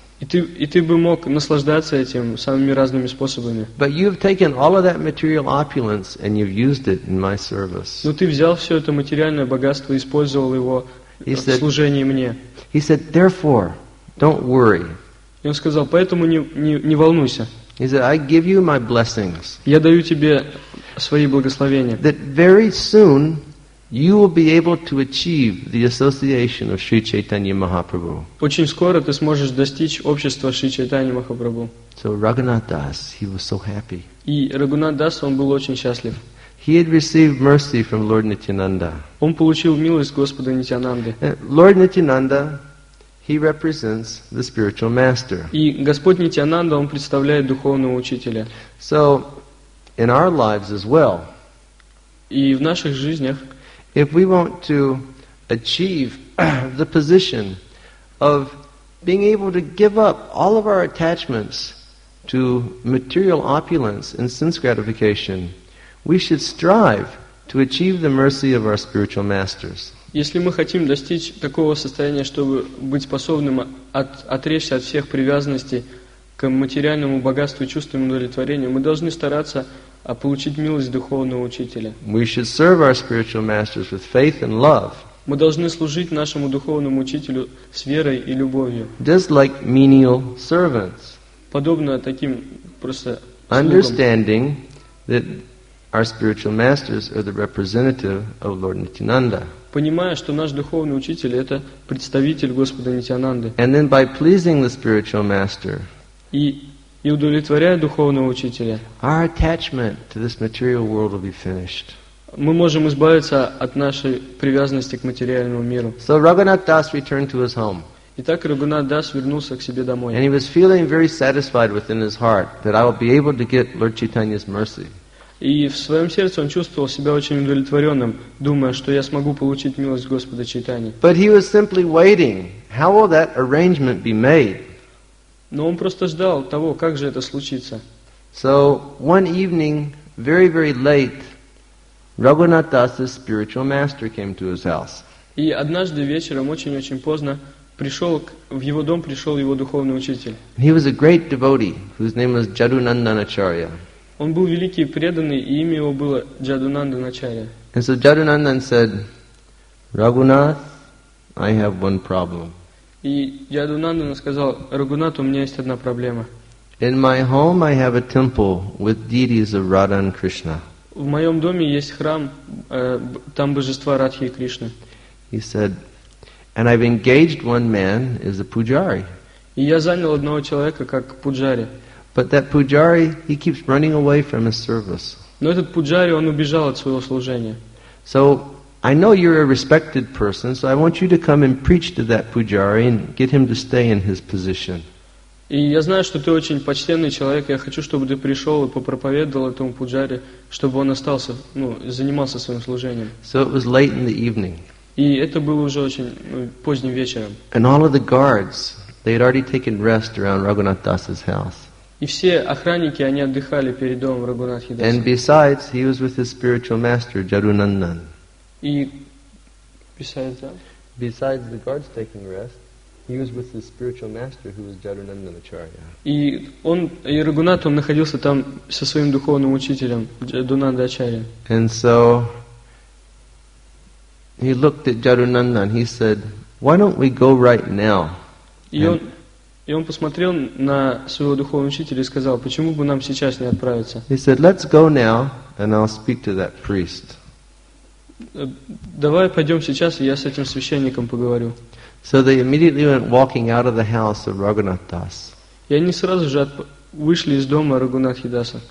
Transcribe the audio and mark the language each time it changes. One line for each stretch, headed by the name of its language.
Russian: И ты бы мог наслаждаться этим самыми разными способами.
English: But you've taken all of that material opulence and you've used it in my service.
Russian: Но ты взял все это материальное богатство и использовал его в служении мне.
English: He said, therefore, don't worry.
Russian: И он сказал, поэтому не волнуйся.
English: He said, I give you my blessings.
Russian: Я даю тебе свои благословения.
English: That very soon you will be able to achieve the association of Sri Chaitanya Mahaprabhu.
Russian: Очень скоро ты сможешь достичь общества Шри Чайтаньи Махапрабху.
English: So Raghunath Das, he was so happy.
Russian: И Рагунат Дас, он был очень счастлив.
English: He had received mercy from Lord Nityananda.
Russian: Он получил милость Господа Нитянанды.
English: Lord Nityananda, he represents the spiritual master.
Russian: И Господь Нитянанда, он представляет духовного учителя.
English: So, in our lives as well.
Russian: И в наших жизнях.
English: If we want to achieve the position of being able to give up all of our attachments to material opulence and sense gratification, we should strive to achieve the mercy of our spiritual masters.
Russian: Если мы хотим достичь такого состояния, чтобы быть способным отречься от всех привязанностей к материальному богатству и чувствам удовлетворения, мы должны стараться получить милость духовного учителя.
English: We should serve our spiritual masters with faith and love.
Russian: Мы должны служить нашему духовному учителю с верой и любовью.
English: Just like menial servants.
Russian: Подобно таким просто слугам.
English: Understanding that our spiritual masters are the representative of Lord Nityananda.
Russian: Понимая, что наш духовный учитель это представитель Господа Нитянанды.
English: And then by pleasing the spiritual master.
Russian: И удовлетворяя духовного учителя.
English: Our attachment to this material world will be finished.
Russian: мы можем избавиться от нашей привязанности к материальному миру.
English: So Raghunath Das returned to his home.
Russian: Итак, Рагунат Дас вернулся к себе домой.
English: And he was feeling very satisfied within his heart that I will be able to get Lord Chaitanya's mercy.
Russian: И в своем сердце он чувствовал себя очень удовлетворенным, думая, что я смогу получить милость Господа Чайтани.
English: But he was simply waiting. How will that arrangement be made?
Russian: Но он просто ждал того, как же это случится.
English: So one evening, very very late, Raghunath Das's spiritual master came to his house.
Russian: И однажды вечером очень-очень поздно пришел его духовный учитель.
English: He was a great devotee whose name was Jadunandanacharya.
Russian: Он был великий преданный, и имя его было Джадунанданачарья.
English: And so Jadunandan said, Raghunath, I have one problem.
Russian: И Джадунандан сказал: Рагунат, у меня есть одна проблема.
English: In my home I have a temple with deities of Radha and Krishna.
Russian: В моем доме есть храм, там божества Радхи и Кришны.
English: He said, and I've engaged one man as a pujari.
Russian: И я занял одного человека как пуджари.
English: But that pujari, he keeps running away from his service.
Russian: Но этот пуджари, он убежал от своего служения.
English: So I know you're a respected person, so I want you to come and preach to that pujari and get him to stay in his position.
Russian: И я знаю, что ты очень почтенный человек. Я хочу, чтобы ты пришел и попроповедовал этому пуджаре, чтобы он остался, ну, занимался своим служением.
English: So it was late in the evening.
Russian: И это было уже очень, ну, поздним вечером.
English: And all of the guards, they had already taken rest around Raghunath Das's house.
Russian: И все охранники, они отдыхали перед домом Рагунатхи Даса.
English: And besides, he was with his spiritual master, Jadunandan.
Russian: И
English: besides that? Besides the guards taking rest, he was with his spiritual master, who was Jadunandanacharya.
Russian: И Рагунат, он находился там со своим духовным учителем, Джадунандачарья.
English: And so he looked at Jadunandan. He said, "Why don't we go right now?"
Russian: И он посмотрел на своего духовного учителя и сказал: "Почему бы нам сейчас не отправиться?"
English: He said, "Let's go now, and I'll speak to that priest."
Russian: Давай пойдем сейчас, и я с этим священником поговорю.
English: So they immediately went walking out of the house of Raghunath Das.
Russian: И они сразу же вышли из дома Рагунатхи Даса.